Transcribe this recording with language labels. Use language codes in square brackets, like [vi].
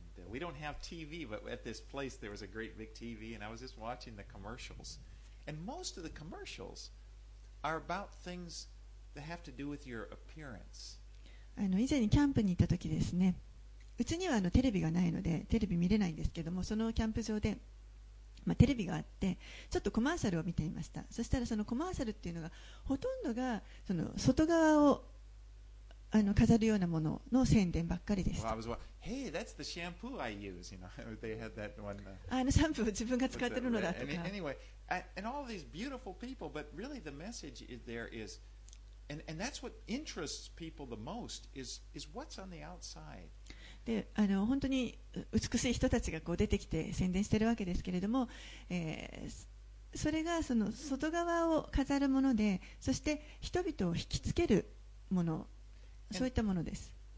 [en] We don't have TV, but at this place there was a great big TV, and I was just watching the commercials. And most of the commercials are about things that have to do with your appearance. [ja] 以前にキャンプに行った時ですね。うちにはテレビがないのでテレビ見れないんですけども、そのキャンプ場で、テレビがあって、ちょっとコマーシャルを見ていました。そしたらそのコマーシャルっていうのがほとんどがその外側を飾るようなものの宣伝ばっかりでした。 [en] Well, I was watching, "Hey, that's the shampoo I use." You know, they had that one. [ja] シャンプーを自分が使ってるのだとか。 [en] Anyway, and all these beautiful people, but really the message is there is, And that's what interests people the most is what's on the outside. [ja] で本当に美しい人たちがこう出てきて宣伝しているわけですけれども、それがその外側を飾るもので、そして人々を引きつけるもの、そういったものです。